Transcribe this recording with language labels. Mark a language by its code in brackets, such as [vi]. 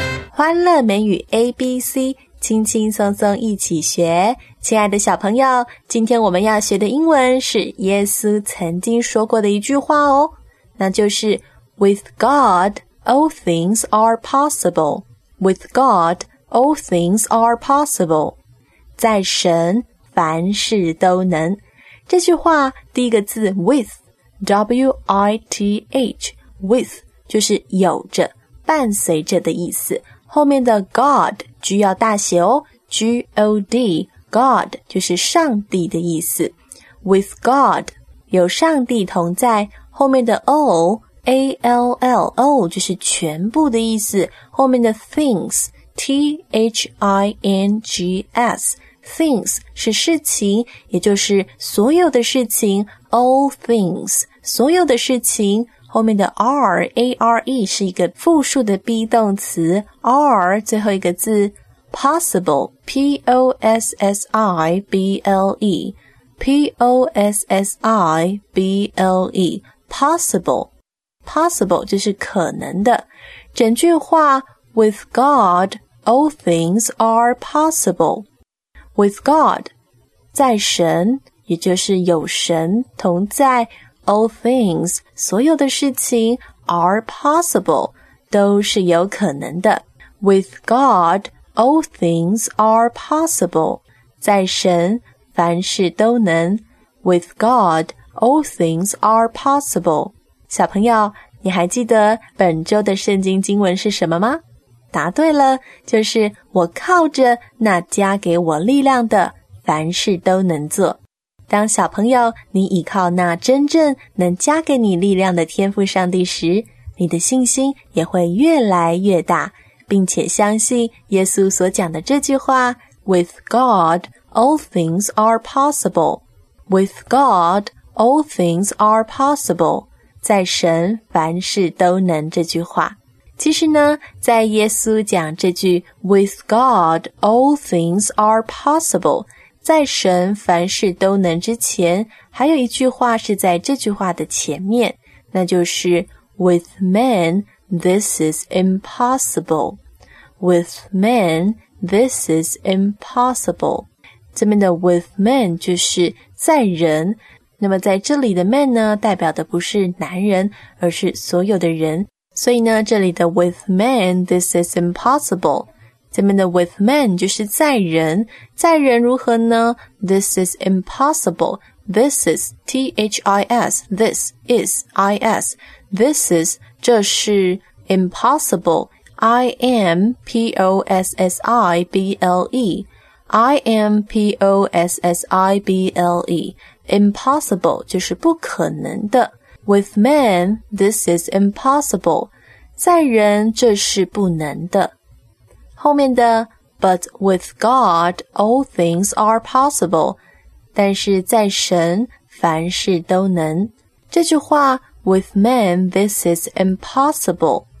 [zh] 欢乐美语 ABC， 轻轻松松一起学。亲爱的小朋友，今天我们要学的英文是耶稣曾经说过的一句话哦，那就是 [en] With God, all things are possible. With God, all things are possible. [zh] 在神，凡事都能。这句话第一个字 with, W-I-T-H, with, 就是有着，伴随着的意思。后面的 God, G 要大写哦， G-O-D, God, 就是上帝的意思。 [en] With God, [zh] 有上帝同在，后面的 all, A-L-L, all 就是全部的意思，后面的 things, T-H-I-N-G-S, things 是事情，也就是所有的事情， [en] all things, [zh] 所有的事情，后面的 are, A-R-E 是一个复数的 be 动词， are 最后一个字 possible, P-O-S-S-I-B-L-E, P-O-S-S-I-B-L-E, possible, possible 就是可能的。整句话 [en] with God, all things are possible. With God, [zh] 在神，也就是有神同在， [en] All things, [zh] 所有的事情 [en] are possible, [zh] 都是有可能的。 [en] With God, all things are possible. [zh] 在神，凡事都能。 [en] With God, all things are possible. [zh] 小朋友，你还记得本周的圣经经文是什么吗？答对了，就是我靠着那加给我力量的，凡事都能做。当小朋友，你倚靠那真正能加给你力量的天父上帝时，你的信心也会越来越大，并且相信耶稣所讲的这句话 [en] With God, all things are possible. With God, all things are possible. [zh] 在神，凡事都能这句话。其实呢，在耶稣讲这句 [en] With God, all things are possible, [zh] 在神凡事都能之前，还有一句话是在这句话的前面，那就是 [en] With man, this is impossible. With man, this is impossible. [zh] 这边的 with man 就是在人，那么在这里的 man 呢，代表的不是男人，而是所有的人。所以呢，这里的 [en] with man, this is impossible. [zh] 这边的 [en] with man [zh] 就是在人，在人如何呢？ [en] This is impossible. This is T-H-I-S. This is I-S. This is [zh] 这是 [en] impossible. I-M-P-O-S-S-I-B-L-E. I-M-P-O-S-S-I-B-L-E. [zh] Impossible 就是不可能的。 [en] With man, this is impossible. [zh] 在人这是不能的。后面的 [en] But with God, all things are possible. [zh] 但是在神，凡事都能。这句话 [en] With man, this is impossible.